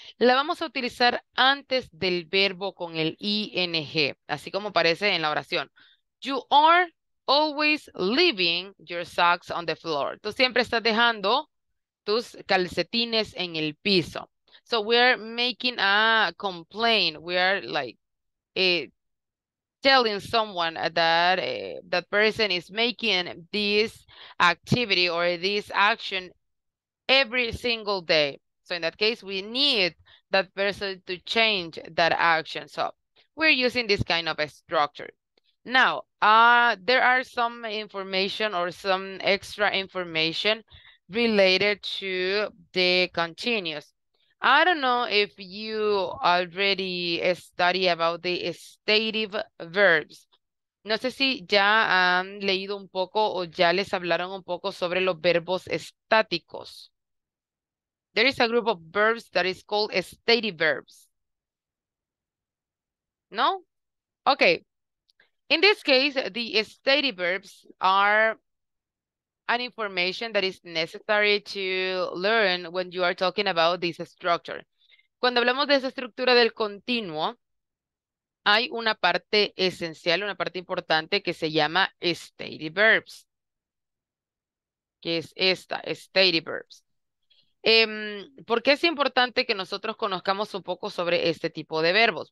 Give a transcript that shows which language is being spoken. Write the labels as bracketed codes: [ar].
[es] La vamos a utilizar antes del verbo con el ing, así como aparece en la oración. [en] You are always leaving your socks on the floor. [es] Tú siempre estás dejando tus calcetines en el piso. [en] So we are making a complaint. We are like telling someone that that person is making this activity or this action every single day. So in that case, we need that person to change that action. So we're using this kind of a structure. Now, there are some information or some extra information related to the continuous. I don't know if you already study about the stative verbs. [es] No sé si ya han leído un poco o ya les hablaron un poco sobre los verbos estáticos. [en] There is a group of verbs that is called stative verbs. No? Okay. In this case, the stative verbs are an information that is necessary to learn when you are talking about this structure. [es] Cuando hablamos de esa estructura del continuo, hay una parte esencial, una parte importante que se llama stative verbs, que es esta, stative verbs. ¿Por qué es importante que nosotros conozcamos un poco sobre este tipo de verbos?